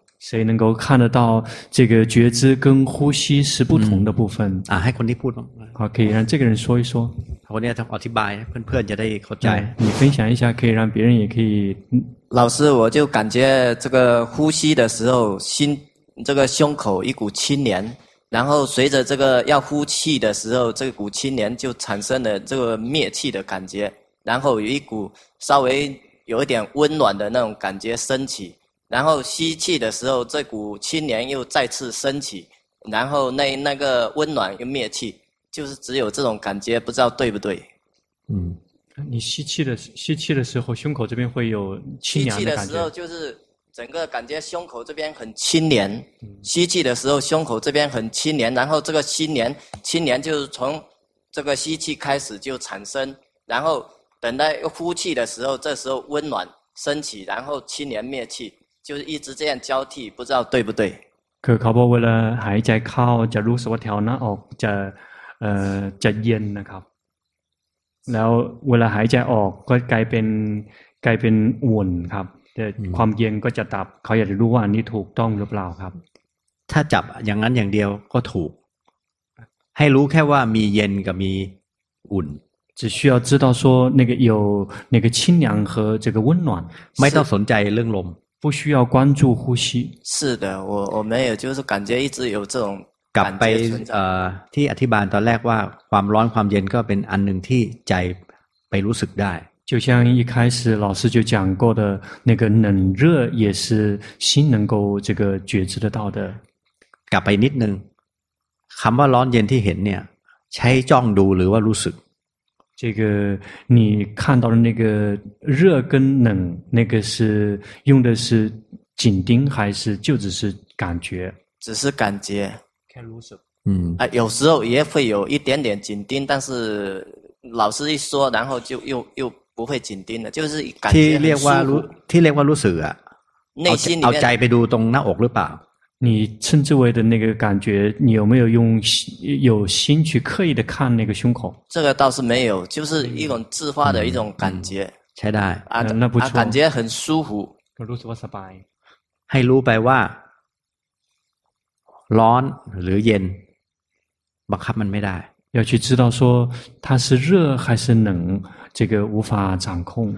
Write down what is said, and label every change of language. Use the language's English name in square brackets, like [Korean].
[Chinese] 谁能够看得到这个觉知跟呼吸是不同的部分？啊，还昨天不懂。好，可以让这个人说一说。我呢，他 [Thai] อธิบาย，เพื่อนๆจะได้เข้าใจ。 [Chinese] 你分享一下，可以让别人也可以。老师，我就感觉这个呼吸的时候，心这个胸口一股清凉，然后随着这个要呼气的时候，这股清凉就产生了这个灭气的感觉，然后有一股稍微有一点温暖的那种感觉升起，然后吸气的时候，这股清凉又再次升起，然后那个温暖又灭气。就是只有这种感觉，不知道对不对？嗯，你吸气的时候，胸口这边会有清凉的感觉。吸气时候就是整个感觉胸口这边很清凉，吸气的时候胸口这边很清凉，然后这个清凉就是从这个吸气开始就产生，然后等待呼气的时候，这时候温暖升起，然后清凉灭气，就是一直这样交替，不知道对不对？ [Thai] 可เขาบอกว่าหายใจเข้าจะรู้สึกว่าแถวหน้าออกจะจะเย็นนะครับแล้วเวลาหายใจออกก็กลายเป็นอุ่นครับแต่ความเย็นก็จะดับเขาอยากจะรู้ว่าอันนี้ถูกต้องหรือเปล่าครับ ถ้าจับอย่างนั้นอย่างเดียวก็ถูกให้รู้แค่ว่ามีเย็นกับมีอุ่น [Chinese] 只需要知道说那个有那个清凉和这个温暖 [Thai] ไม่ต้องสนใจเรื่องลม [Chinese] 不需要关注呼吸是的我没有就是感觉一直有这种 [Thai] กลับไปที่อธิบายตอนแรกว่าความร้อนความเย็นก็เป็นอันหนึ่งที่ใจไปรู้สึกได้ [Chinese] 就像一开始老师就讲过的那个冷热也是心能够这个觉知得到的 [Thai] กลับไปนิดนึงคำว่าร้อนเย็นที่เห็นเนี่ยใช้จ้องดูหรือว่ารู้สึก [Chinese] 这个你看到的那个热跟冷那个是用的是紧盯还是就只是感觉只是感觉嗯啊、有时候也会有一点点紧盯但是老师一说然后就又不会紧盯了就是感觉很舒服 [Thai] ที่เรียกว่ารู้สึก [Chinese] 内心里面 [Thai] เอาใจไปดูตรงหน้าอกหรือเปล่า [Chinese] 你称之为的那个感觉你有没有用有心去刻意的看那个胸口这个倒是没有就是一种自发的一种感觉 [Thai] ใช้ได้ [Chinese] 那不错、感觉很舒服 [Thai] รู้สึกว่าสบาย ให้รู้ไปว่าร้อนหรือเย็นบังคับมันไม่ได้ [Chinese] 要去知道说它是热还是冷这个无法掌控